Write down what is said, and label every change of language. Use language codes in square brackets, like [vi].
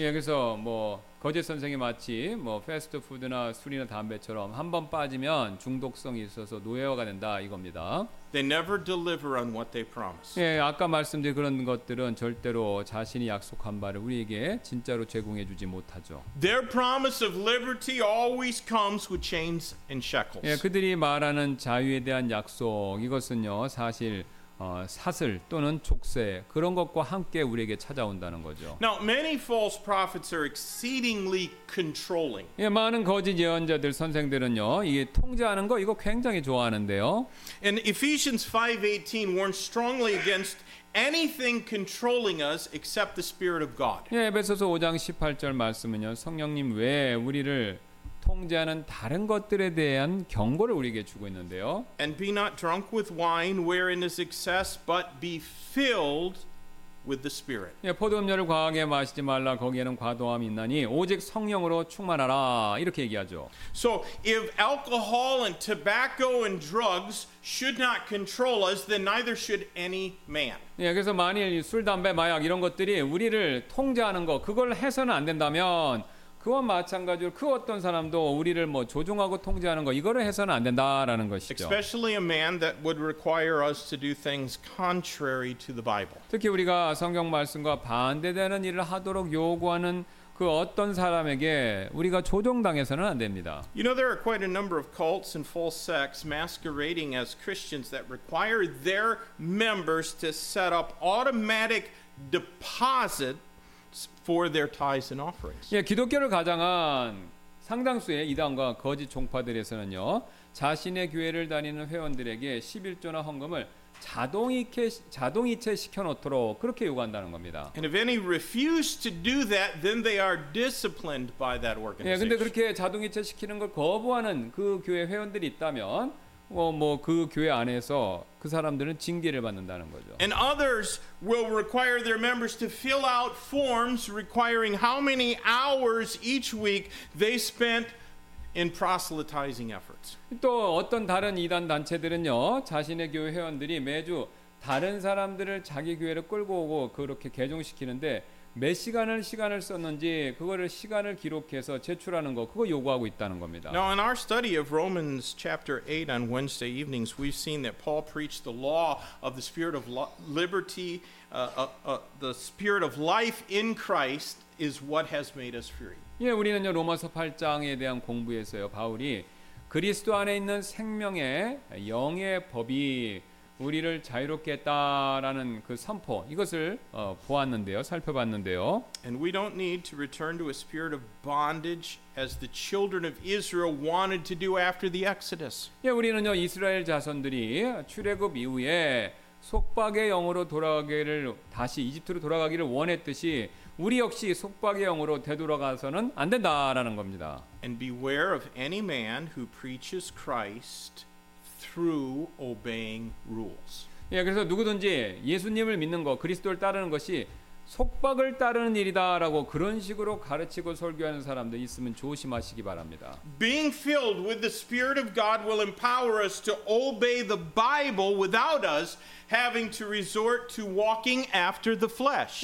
[ko] 예, 그래서 뭐 거짓 선생이 마치 뭐 패스트푸드나 술이나 담배처럼 한번 빠지면 중독성이 있어서 노예화가 된다 이겁니다. [en] They never deliver on what they promise. [ko] 예, 아까 말씀드린 그런 것들은 절대로 자신이 약속한 바를 우리에게 진짜로 제공해 주지 못하죠. [en] Their promise of liberty always comes with chains and shackles. [ko] 예, 그들이 말하는 자유에 대한 약속 이것은요 사실 사슬 또는 족쇄 그런 것과 함께 우리에게 찾아온다는 거죠. [en] Now many false prophets are exceedingly controlling. [ko] 예, 많은 거짓 예언자들 선생들은요, 이게 통제하는 거 이거 굉장히 좋아하는데요. [en] And Ephesians 5:18 warns strongly against anything controlling us except the Spirit of God. [ko] 예, 에베소서 5장 18절 말씀은요, 성령님 외에 우리를 통제하는 다른 것들에 대한 경고를 우리에게 주고 있는데요. [en] And be not drunk with wine wherein is excess but be filled with the spirit. [ko] 예, 포도음료를 과하게 마시지 말라 거기에는 과도함이 있나니 오직 성령으로 충만하라 이렇게 얘기하죠. [en] So if alcohol and tobacco and drugs should not control us then neither should any man. [ko] 예, 그래서 만일 술 담배 마약 이런 것들이 우리를 통제하는 거 그걸 해서는 안 된다면 그와 마찬가지로 그 어떤 사람도 우리를 뭐 조종하고 통제하는 거 이거를 해서는 안 된다라는 것이죠. [en] Especially a man that would require us to do things contrary to the Bible. [ko] 특히 우리가 성경 말씀과 반대되는 일을 하도록 요구하는 그 어떤 사람에게 우리가 조종당해서는 안 됩니다. [en] You know there are quite a number of cults and false sects masquerading as Christians that require their members to set up automatic deposit for their tithes and offerings. [ko] 예, 기독교를 가장한 상당수의 이단과 거짓 종파들에서는요, 자신의 교회를 다니는 회원들에게 십일조나 헌금을 자동이체 시켜놓도록 그렇게 요구한다는 겁니다. [en] And if any refuse to do that, then they are disciplined by that organization. [ko] 예, 근데 그렇게 자동이체 시키는 걸 거부하는 그 교회 회원들이 있다면, 뭐 그 교회 안에서 그 사람들은 징계를 받는다는 거죠. [en] And others will require their members to fill out forms requiring how many hours each week they spent in proselytizing efforts. [ko] 또 어떤 다른 이단 단체들은요, 자신의 교회 회원들이 매주 다른 사람들을 자기 교회로 끌고 오고 그렇게 개종시키는데 몇 시간을 썼는지 그거를 시간을 기록해서 제출하는 거 그거 요구하고 있다는 겁니다. [en] Now in our study of Romans chapter 8 on Wednesday evenings, we've seen that Paul preached the law of the spirit of liberty, the spirit of life in Christ is what has made us free. [ko] 예, 우리는요 로마서 8장에 대한 공부에서요 바울이 그리스도 안에 있는 생명의 영의 법이 우리를 자유롭게 했다라는 그 선포 이것을 보았는데요 살펴봤는데요. [en] And we don't need to return to a spirit of bondage as the children of Israel wanted to do after the Exodus. [ko] 예, 우리는요 이스라엘 자손들이 출애굽 이후에 속박의 영으로 돌아가기를 다시 이집트로 돌아가기를 원했듯이 우리 역시 속박의 영으로 되돌아가서는 안 된다라는 겁니다. [en] And beware of any man who preaches Christ through obeying rules. [ko] 예, 그래서 누구든지 예수님을 믿는 것, 그리스도를 따르는 것이 속박을 따르는 일이다라고 그런 식으로 가르치고 설교하는 사람들 있으면 조심하시기 바랍니다. [en] Being filled with the Spirit of God will empower us to obey the Bible without us having to resort to walking after the flesh.